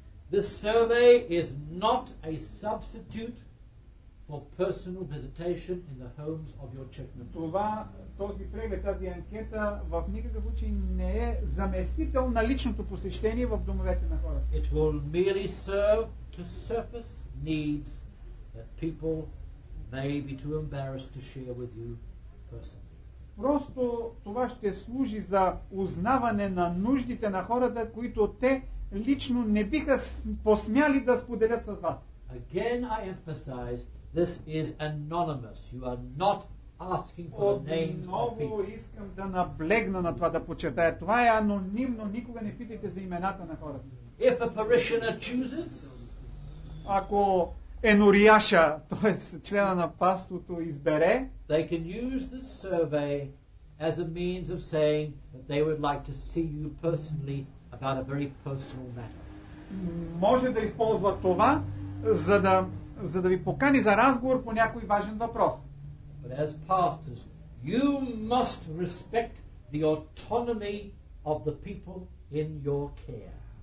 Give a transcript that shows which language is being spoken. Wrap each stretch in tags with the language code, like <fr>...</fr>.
<en>This survey is not a substitute for personal visitation in the homes of your church members.</en> <bg>Този преглед, тази анкета в никакъв случай не е заместител на личното посещение в домовете на хората.</bg> <en>It will merely serve to surface needs that people may be too embarrassed to share with you personally.</en> <bg>Просто това ще служи за узнаване на нуждите на хората, които те лично не биха посмяли да споделят с вас.</bg> <en>Again I emphasize, this is anonymous. You are not asking for the names of people.</en> <bg>Отново искам да наблегна на това, да подчертая. Това е анонимно. Никога не питайте за имената на хората.</bg> <en>If a parishioner chooses,</en> <bg>ако енорияша, т.е. члена на паството, избере,</bg> <en>they can use the survey as a means of saying that they would like to see you personally about a very personal matter.</en> <bg>Може да използва това, за да ви покани за разговор по някой важен въпрос.</bg> <en>But as pastors, you must respect the autonomy of the people in your care.</en>